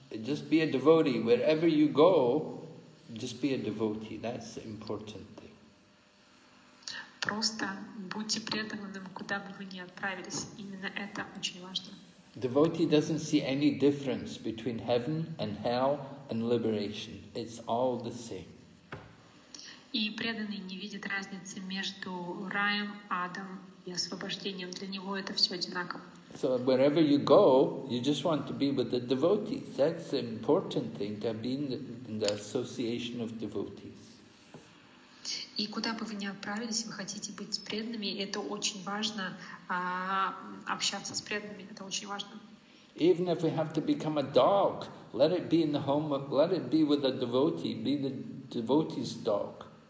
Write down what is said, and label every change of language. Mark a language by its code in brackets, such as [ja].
[en] Just be a devotee, wherever you go, just be a devotee, that's the important thing. [ru] Просто будьте преданным, куда бы вы ни отправились. Именно это очень важно. [en] Devotee doesn't see any difference between heaven and hell and liberation. It's all the same. [ru] И преданный не видит разницы между раем, адом и освобождением. Для него это все одинаково. [en] So wherever you go, you just want to be with the devotees. That's the important thing, to be in the association of devotees. [ru] И куда бы вы ни отправились, вы хотите быть с преданными, это очень важно, общаться с преданными, это очень важно. [en] Even if we have to become a dog, let it be in the home of, let it be with a devotee, be the devotee's dog.